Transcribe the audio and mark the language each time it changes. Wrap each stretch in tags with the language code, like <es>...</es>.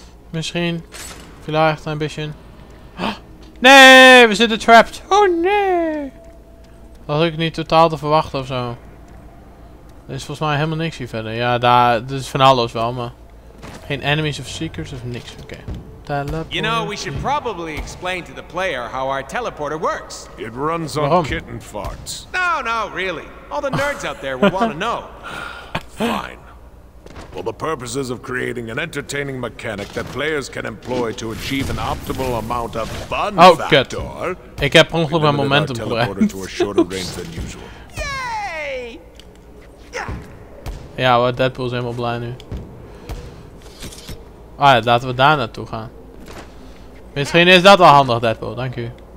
<nl>Misschien. Villa echt een beetje. Nee, we zitten trapped. Oh nee. Dat had ik niet totaal te verwachten ofzo. Er is volgens mij helemaal niks hier verder. Ja, daar is van alles wel, maar. Geen enemies of seekers of niks. Oké. Teleporter.</nl> <en>You know, we should probably explain to the player how our teleporter works. It runs on</en> <nl>waarom?</nl> <en>Kitten farts. No, no, really. All the nerds out there will want to know. Fine. For the purposes of creating an entertaining mechanic that players can employ to achieve an optimal amount of fun factor.</en> <nl>Ik heb ongeluk mijn momentum gebruikt. Yay! Ja, wat Deadpool is helemaal blij nu. Ah ja, laten we daar naartoe gaan. Misschien is dat wel handig, Deadpool. Dank u.</nl>